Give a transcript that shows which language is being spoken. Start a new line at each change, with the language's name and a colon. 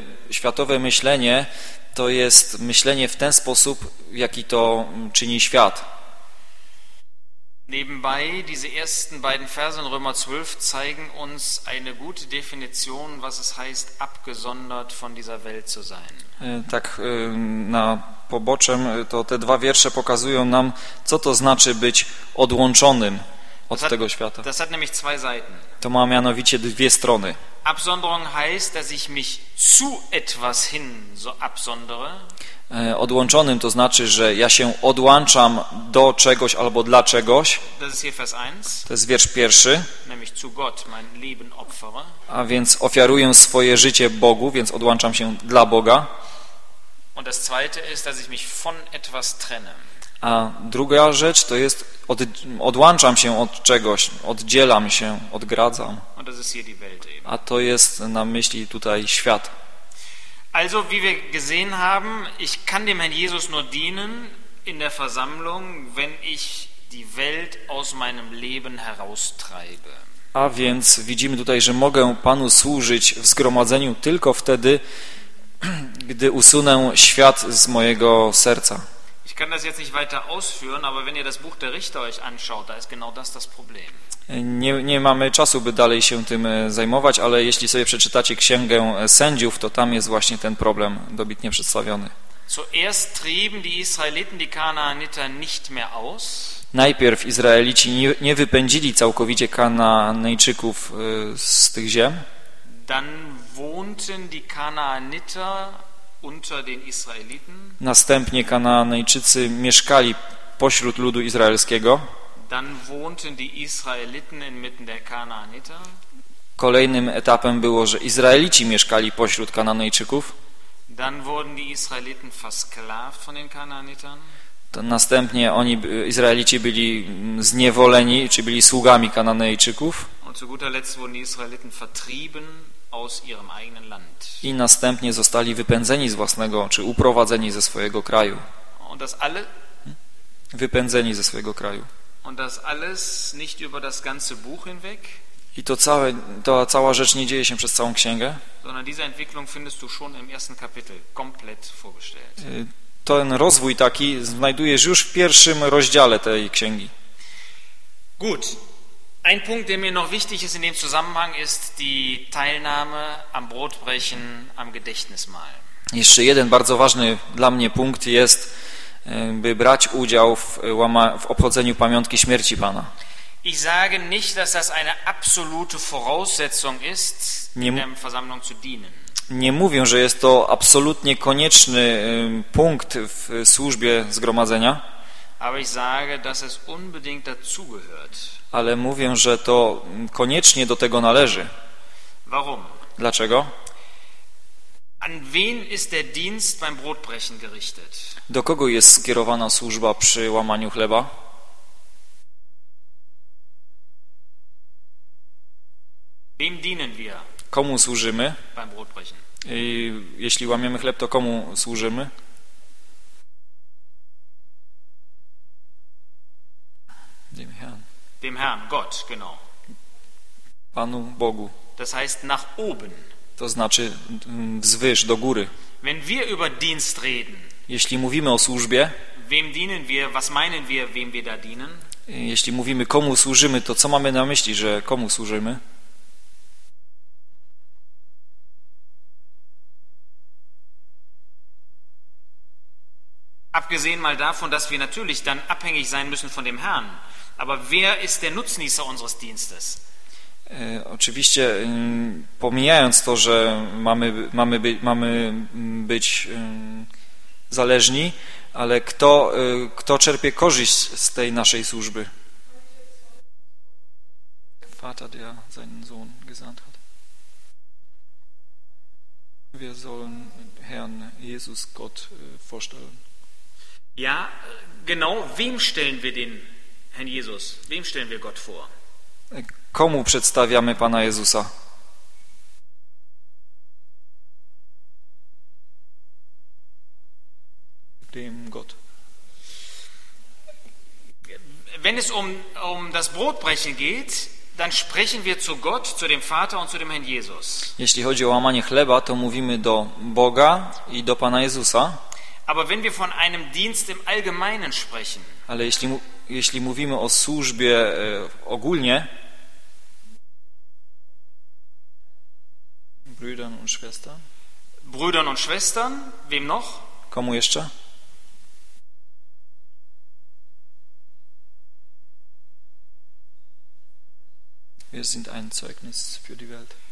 Polish: Światowe myślenie to jest myślenie w ten sposób, jaki to czyni świat.
German: Nebenbei, diese ersten beiden Verse in Römer 12 zeigen uns eine gute Definition, was es heißt, abgesondert von dieser Welt zu sein.
Polish: Tak na poboczem, to te dwa wiersze pokazują nam, co to znaczy być odłączonym od tego świata.
German: Das hat nämlich zwei Seiten.
Polish: To ma mianowicie dwie strony.
German: Absonderung heißt, dass ich mich zu etwas hin so absondere.
Polish: Odłączonym to znaczy, że ja się odłączam do czegoś albo dla czegoś.
German: Das ist hier Vers 1.
Polish: To jest wiersz pierwszy.
German: Nämlich zu Gott mein Leben opfere.
Polish: A więc ofiaruję swoje życie Bogu, więc odłączam się dla Boga.
German: Und das zweite ist, dass ich mich von etwas trenne.
Polish: A druga rzecz to jest, odłączam się od czegoś, oddzielam się, odgradzam.
German: Und das ist hier die Welt eben.
Polish: A to jest na myśli tutaj świat.
German: Also, wie wir gesehen haben, ich kann dem Herrn Jesus nur dienen in der Versammlung, wenn ich die Welt aus meinem Leben heraustreibe.
Polish: A więc widzimy tutaj, że mogę Panu służyć w zgromadzeniu tylko wtedy, gdy usunę świat z mojego serca.
German: Ich kann das jetzt nicht weiter ausführen, aber wenn ihr das Buch der Richter euch anschaut, da ist genau das das Problem.
Polish: Nie mamy czasu, by dalej się tym zajmować, ale jeśli sobie przeczytacie Księgę Sędziów, to tam jest właśnie ten problem dobitnie przedstawiony.
German: Zuerst trieben die Israeliten die Kanaaniter nicht mehr aus.
Polish: Najpierw Izraelici nie wypędzili całkowicie Kanaanejczyków z tych ziem.
German: Dann wohnten die Kanaaniter unter den Israeliten.
Polish: Następnie Kanaanejczycy mieszkali pośród ludu izraelskiego.
German: Dann wohnten die Israeliten inmitten der Kanaaniter.
Polish: Kolejnym etapem było, że Izraelici mieszkali pośród Kanaanejczyków.
German: Dann wurden die Israeliten versklavt von den Kanaanitern.
Polish: Następnie oni, Izraelici, byli zniewoleni, czy byli sługami Kanaanejczyków.
German: Und zu guter Letzt wurden die Israeliten vertrieben aus ihrem eigenen Land.
Polish: I następnie zostali wypędzeni z własnego, czy uprowadzeni ze swojego kraju.
German: Und das alle?
Polish: Wypędzeni ze swojego kraju.
German: Und das alles nicht über das ganze Buch hinweg?
Polish: I to całe, ta cała rzecz nie dzieje się przez całą księgę.
German: Sondern diese Entwicklung findest du schon im ersten Kapitel komplett vorgestellt.
Polish: Ten rozwój taki znajdujesz już w pierwszym rozdziale tej księgi.
German: Gut. Ein Punkt, der mir noch wichtig ist in dem Zusammenhang, ist die Teilnahme am Brotbrechen, am Gedächtnismahl.
Polish: Jeszcze jeden bardzo ważny dla mnie punkt jest, by brać udział w obchodzeniu pamiątki śmierci Pana.
German: Ich sage nicht, dass das eine absolute Voraussetzung ist, in der Versammlung zu dienen.
Polish: Nie mówię, że jest to absolutnie konieczny punkt w służbie zgromadzenia.
German: Aber ich sage, dass es unbedingt dazugehört.
Polish: Ale mówię, że to koniecznie do tego należy.
German: Warum?
Polish: Dlaczego?
German: An wen ist der Dienst beim Brotbrechen gerichtet?
Polish: Do kogo jest skierowana służba przy łamaniu chleba?
German: Wem dienen wir?
Polish: Komu służymy?
German: Beim Brotbrechen.
Polish: I jeśli łamiemy chleb, to komu służymy?
German: Dem Herrn. Dem Herrn, Gott, genau.
Polish: Panu Bogu.
German: Das heißt nach oben.
Polish: To znaczy wzwyż, do góry.
German: Wenn wir über Dienst reden,
Polish: jeśli mówimy o służbie,
German: wem dienen wir, was meinen wir, wem wir da dienen?
Polish: Jeśli mówimy, komu służymy, to co mamy na myśli, że komu służymy?
German: Abgesehen mal davon, dass wir natürlich dann abhängig sein müssen von dem Herrn. Aber wer ist der Nutznießer unseres Dienstes?
Polish: Oczywiście pomijając to, że mamy być zależni, ale kto czerpie korzyść z tej naszej służby?
German: Vater, der seinen Sohn gesandt hat. Wir sollen Herrn Jesus Gott vorstellen. Ja, genau, wem stellen wir den Herrn Jesus? Wem stellen wir Gott vor?
Polish: Komu przedstawiamy Pana Jezusa?
German: Dem Gott. Wenn es um das Brotbrechen geht, dann sprechen wir zu Gott, zu dem Vater und zu dem Herrn Jesus.
Polish: Jeśli chodzi o łamanie chleba, to mówimy do Boga i do Pana Jezusa.
German: Aber wenn wir von einem Dienst im Allgemeinen sprechen.
Polish: Ale jeśli mówimy o służbie ogólnie.
German: Brüdern und Schwestern. Brüdern und Schwestern, wem noch?
Polish: Komu jeszcze?
German: Wir sind ein Zeugnis für die Welt.